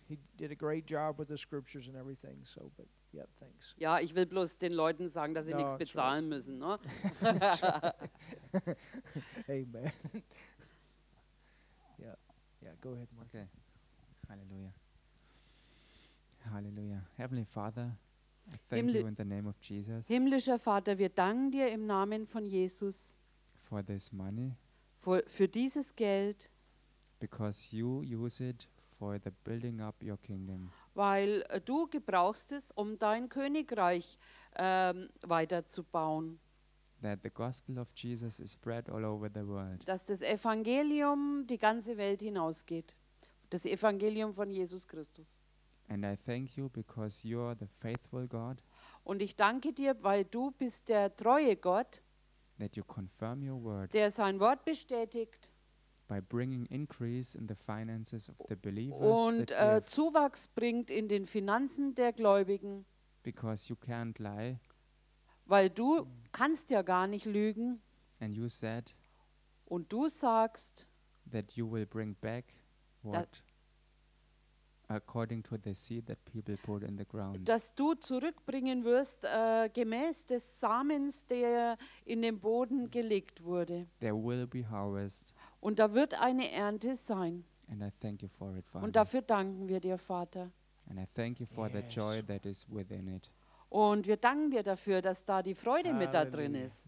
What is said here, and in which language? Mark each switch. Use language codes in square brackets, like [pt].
[en] He did a great job with the scriptures and everything. So, but yeah, thanks. [de] Ja, ich will bloß den Leuten sagen, dass sie nichts bezahlen right. müssen, ne? [en] Amen. Yeah, go ahead, Mark. Okay. Halleluja. Halleluja. Heavenly Father, Thank you in the name of Jesus. [de] Himmlischer Vater, wir danken dir im Namen von Jesus. [en] For this money. [de] Für dieses Geld. [en] Because you use it for the building up your kingdom. [de] Weil du gebrauchst es, um dein Königreich weiterzubauen. [en] That the gospel of Jesus is spread all over the world. [de] Dass das Evangelium die ganze Welt hinausgeht. Das Evangelium von Jesus Christus. [en] And I thank you because you are the faithful God. [de] Und ich danke dir, weil du bist der treue Gott. [en] That you confirm your word. [de] Der sein Wort bestätigt. [en] By bringing increase in the finances of the believers. [de] Und Zuwachs bringt in den Finanzen der Gläubigen. [en] Because you can't lie. [de] Weil du kannst ja gar nicht lügen. [en] And you said. [de] Und du sagst. [en] That you will bring back what. According to the seed that people put in the ground. [de] Dass du zurückbringen wirst gemäß des Samens, der in den Boden gelegt wurde. [en] There will be harvest. [de] Und da wird eine Ernte sein. [en] And I thank you for it, [de] Father. Und dafür danken wir dir, Vater. [en] And I thank you for yes. The joy that is within it. [de] Und wir danken dir dafür, dass da die Freude mit da drin ist.